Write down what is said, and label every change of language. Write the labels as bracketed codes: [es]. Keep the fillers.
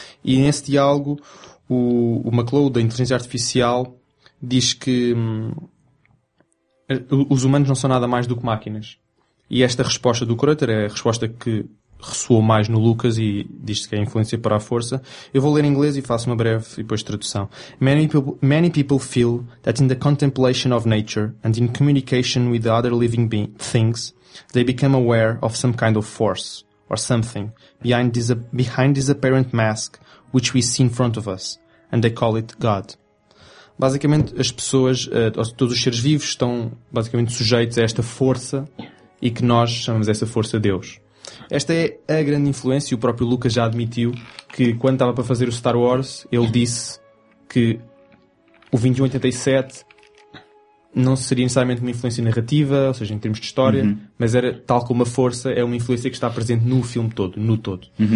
[pt] E nesse diálogo, o, o McCullough, da inteligência artificial, diz que hum, os humanos não são nada mais do que máquinas. E esta resposta do Creuter é a resposta que ressoou mais no Lucas e diz-se que é a influência para a força. Eu vou ler em inglês e faço uma breve e depois tradução. [en] Many people, many people feel that in the contemplation of nature and in communication with the other living be- things, they become aware of some kind of force or something behind this, behind this apparent mask which we see in front of us, and they call it God. [pt] basicamente as pessoas, eh, ou todos os seres vivos estão basicamente sujeitos a esta força e que nós chamamos essa força Deus. Esta é a grande influência e o próprio Lucas já admitiu que quando estava para fazer o Star Wars, ele disse que o 2187 não seria necessariamente uma influência narrativa, ou seja, em termos de história, mas era tal como a força, é uma influência que está presente no filme todo, no todo.